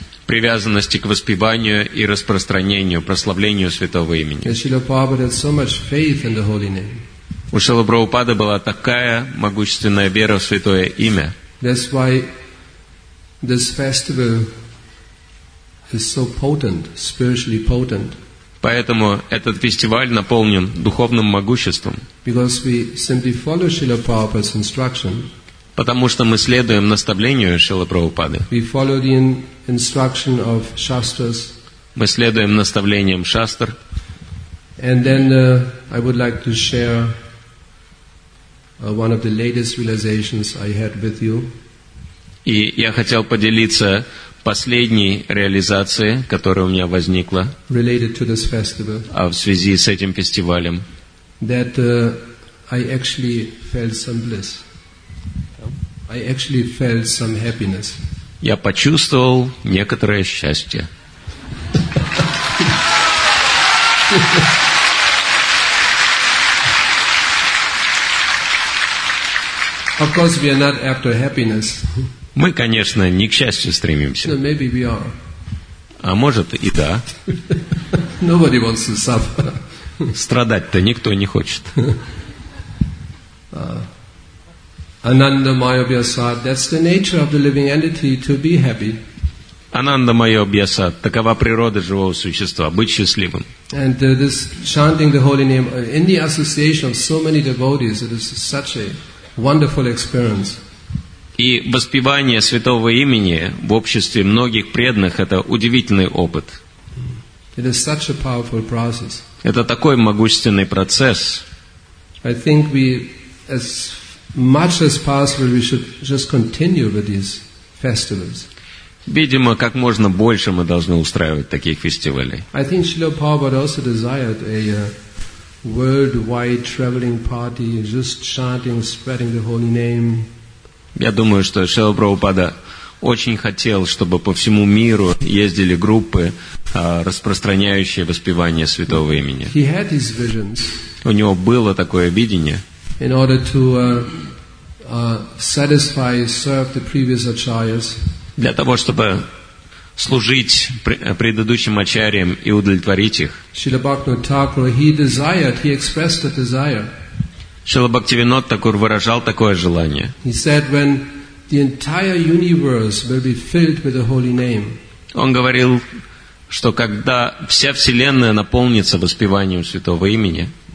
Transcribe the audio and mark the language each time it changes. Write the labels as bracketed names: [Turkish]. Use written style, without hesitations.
[Russian] Привязанности к воспеванию и распространению, прославлению святого имени. У [English] Шрилы Прабхупады had so much faith in the holy name. [Russian] У Шрилы Прабхупады была такая могущественная вера в святое имя. [English] That's why this festival is so potent, spiritually potent. [Russian] Поэтому этот фестиваль наполнен духовным могуществом. [English] Because we simply follow Srila Prabhupada's instruction. [Russian] Потому что мы следуем наставлению Шрилы Прабхупады. [English] We follow the instruction of Shastras. [Russian] Мы следуем наставлениям Шастр. [English] And then I would like to share one of the latest realizations I had with you. [Russian] И я хотел поделиться последней реализацией, которая у меня возникла [English] related to this festival. [Russian] В связи с этим фестивалем. [English] That I actually felt some bliss. I actually felt some happiness. [Russian] Я почувствовал некоторое счастье. [English] Of course, we are not after happiness. [Russian] Мы, конечно, не к счастью стремимся. [English] No, maybe we are. [Russian] А может и да. [English] Nobody wants to suffer. [Russian] Страдать-то никто не хочет. [English] Ananda Maya Vyasad, that's the nature of the living entity to be happy. [Russian] Ananda Maya Vyasad, такова природа живого существа, быть счастливым. [English] And this chanting the holy name in the association of so many devotees, it is such a wonderful experience. [Russian] И воспевание святого имени в обществе многих преданных – это удивительный опыт. [English] It is such a powerful process. [Russian] Это такой могущественный процесс. [English] I think we, as much as possible, we should just continue with these festivals. [Russian] Видимо, как можно больше мы должны устраивать таких фестивалей. [English] I think Srila Prabhupada also desired a worldwide traveling party, just chanting, spreading the holy name. [Russian] Я думаю, что Шрила Прабхупада очень хотел, чтобы по всему миру ездили группы, распространяющие воспевание святого имени. [English] He had his visions. [Russian] У него было такое видение. [English] In order to satisfy, serve the previous acharyas. [Russian] Для того, чтобы служить предыдущим ачарьям и удовлетворить их. [English] Шрила Бхактивинода Тхакура, he desired, he expressed a desire. [Russian] Шрила Бхактивинод Такур выражал такое желание. [English] He said, when the entire universe will be filled with the holy name. [Russian] Он говорил, что когда вся вселенная наполнится воспеванием святого имени.